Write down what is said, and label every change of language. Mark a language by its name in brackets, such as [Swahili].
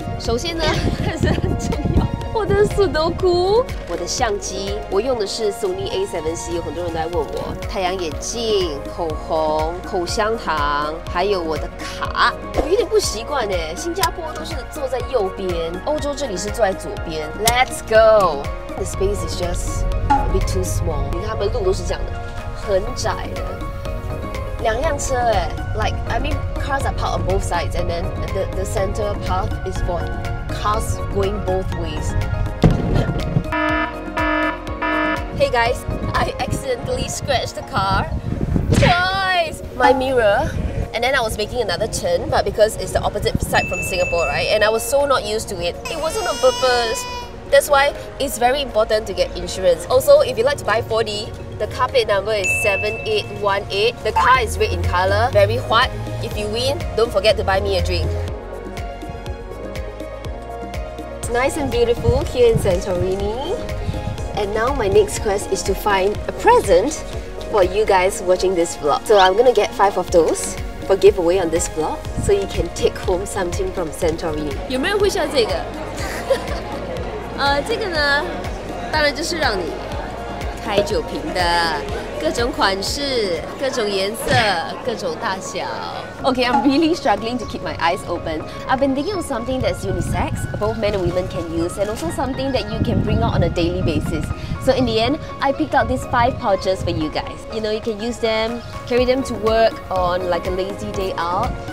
[Chinese] 首先呢，还是很重要。我的速度库，我的相机，我用的是 Sony A7C， 有很多人都在问我。太阳眼镜、口红、口香糖，还有我的卡，我有点不习惯哎。新加坡都是坐在右边，欧洲这里是坐在左边。 [English] Let's go. The space is just a bit too small. [Chinese] 你看他们路都是这样的，很窄的。两辆车哎 [English] ，like I mean cars are parked on both sides, and then the center path is for cars going both ways. Hey guys, I accidentally scratched the car. Guys, my mirror. And then I was making another turn, but because it's the opposite side from Singapore, right? And I was so not used to it. It wasn't on purpose. That's why it's very important to get insurance. Also, if you like to buy 4D, the car plate number is 7818. The car is red in color, very white. If you win, don't forget to buy me a drink. Nice and beautiful here in Santorini. And now my next quest is to find a present for you guys watching this vlog. So I'm gonna get 5 of those for giveaway on this vlog so you can take home something from Santorini. [Chinese] 有没有会像这个？这个呢，当然就是让你开酒瓶的，各种款式、各种颜色、各种大小。 [English] Okay, I'm really struggling to keep my eyes open. I've been thinking of something that's unisex, both men and women can use, and also something that you can bring out on a daily basis. So in the end, I picked out these 5 pouches for you guys. You know, you can use them, carry them to work on like a lazy day out.